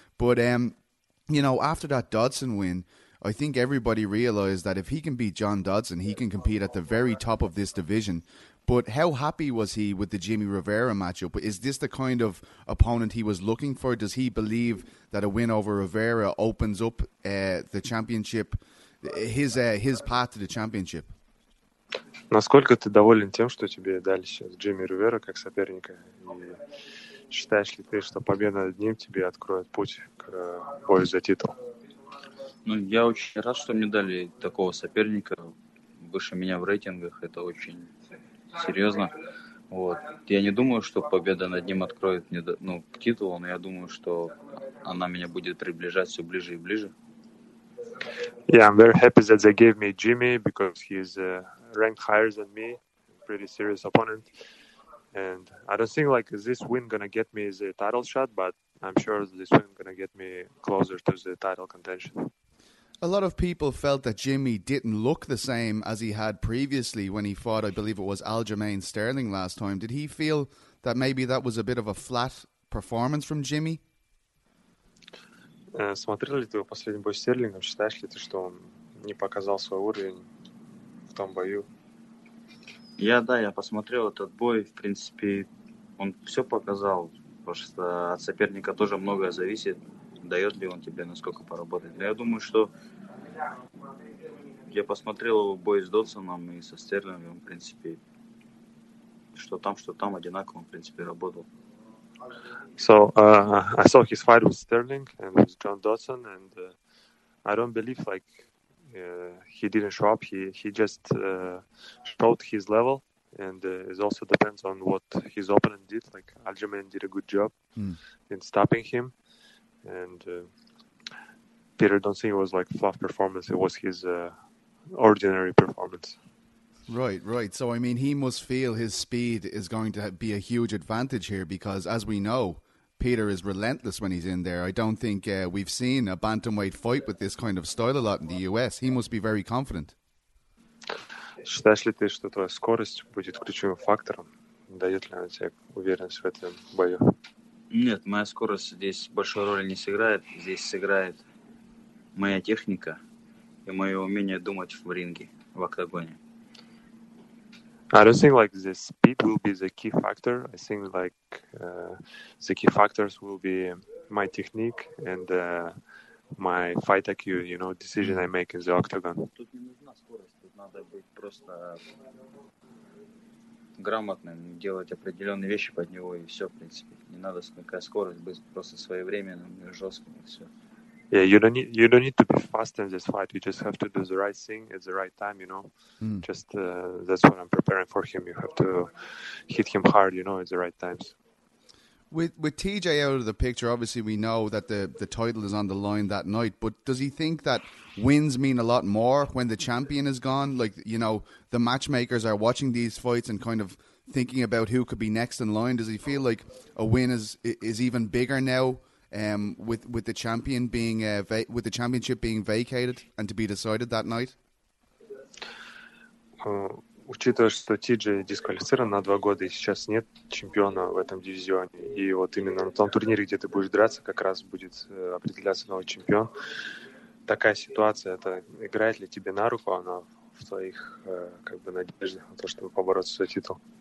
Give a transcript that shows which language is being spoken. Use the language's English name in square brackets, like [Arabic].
[English] But you know, after that Dodson win, I think everybody realized that if he can beat John Dodson, he can compete at the very top of this division. But how happy was he with the Jimmy Rivera matchup? Is this the kind of opponent he was looking for? Does he believe that a win over Rivera opens up the championship, his path to the championship? [Russian] Насколько ты доволен тем, что тебе дали сейчас Джимми Ривера как соперника? И считаешь ли ты, что победа над ним тебе откроет путь к бою за титул? Ну, я очень рад, что мне дали такого соперника выше меня в рейтингах. Это очень серьезно. Вот. Я не думаю, что победа над ним откроет мне, ну, к титулу, но я думаю, что она меня будет приближать все ближе и ближе. [English] Yeah, I'm very happy that they gave me Jimmy because he's ranked higher than me, pretty serious opponent. And I don't think like this win gonna get me the title shot, but I'm sure this win gonna get me closer to the title contention. A lot of people felt that Jimmy didn't look the same as he had previously when he fought, I believe it was Aljamain Sterling last time. Did he feel that maybe that was a bit of a flat performance from Jimmy? [Russian] Смотрел ли ты последний бой с Стерлингом? Считаешь ли ты, что он не показал свой уровень в том бою? Я посмотрел этот бой. В принципе, он все показал, потому что от соперника тоже многое зависит. Дает ли он тебе, насколько поработать. Я думаю, что я посмотрел его бой с Додсоном и со Стерлингом, в принципе, что там одинаково, в принципе, работал. [English] So, I saw his fight with Sterling and with John Dodson, and I don't believe, like, he didn't show up, he just showed his level, and it also depends on what his opponent did, like, Aljamain did a good job in stopping him. And Peter, don't think it was like fluff performance. It was his ordinary performance. Right, right. So, I mean, he must feel his speed is going to be a huge advantage here because, as we know, Peter is relentless when he's in there. I don't think we've seen a bantamweight fight with this kind of style a lot in the US. He must be very confident. [Russian] Считаешь ли ты, что твоя скорость будет ключевым фактором? Дает ли она тебе уверенность в этом бою? Нет, моя скорость здесь большой роли не сыграет. Здесь сыграет моя техника и мое умение думать в ринге, в октагоне. [English] I don't think like the speed will be the key factor. I think like the key factors will be my technique and my fight IQ, you know, decision I make in the octagon. [Russian] Тут не нужна скорость, тут надо быть просто грамотным, делать определенные вещи под него, и все, в принципе. Не надо смыкать скорость, быть просто своевременным и жестким, и все. [English] Yeah, you don't need to be fast in this fight. You just have to do the right thing at the right time, you know. Mm. Just that's what I'm preparing for him. You have to hit him hard, you know, at the right times. With TJ out of the picture, obviously we know that the title is on the line that night, but does he think that wins mean a lot more when the champion is gone? Like, you know, the matchmakers are watching these fights and kind of thinking about who could be next in line. Does he feel like a win is even bigger now with the champion being with the championship being vacated and to be decided that night? [Russian] Учитывая, что Тиджей дисквалифицирован на 2 года, и сейчас нет чемпиона в этом дивизионе, и вот именно на том турнире, где ты будешь драться, как раз будет определяться новый чемпион. Такая ситуация, это играет ли тебе на руку она в твоих как бы надеждах на то, чтобы побороться за титул?